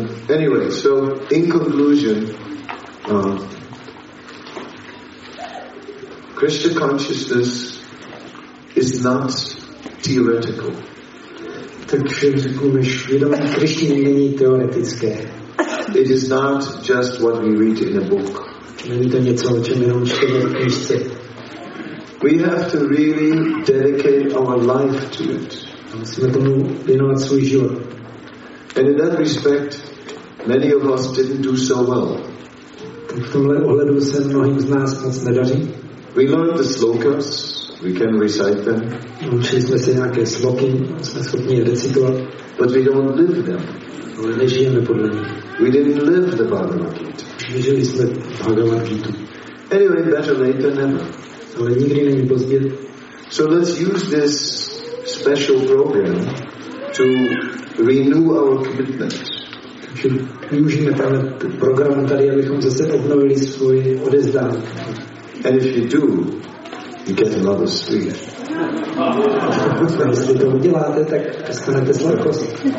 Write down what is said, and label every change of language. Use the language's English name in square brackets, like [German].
[English] Anyway, so in conclusion, Krishna consciousness is not theoretical. [Czech] Takže řekneme, že vědomí Krišny není teoretické. [English] It is not just what we read in a book. [Czech] Není to něco, o čem jenom čteme v knižce. [English] We have to really dedicate our life to it. [Czech] Musíme tomu věnovat svůj život. [English] And in that respect, many of us didn't do so well. [Czech] Tak v tomhle ohledu se mnohým z nás moc nedaří. [English] We learned the slokas. We can recite them. [Czech] Učili jsme se nějaké sloky, jsme schopni je recitovat. [English] But we don't live them. [Czech] Ale nežijeme podle ní. [English] We didn't live the Bhagavad Gita. [Czech] Nežili jsme Bhagavad Gita. [English] Anyway, better late than never. [Czech] Ale nikdy není pozdě. [English] So let's use this special program to renew our commitment. [Czech] Takže využijeme tenhle program tady, abychom zase obnovili svoji odezdání. [English] And if you do, you get another sweet. [Czech] A jestli to uděláte, tak dostanete sladkost.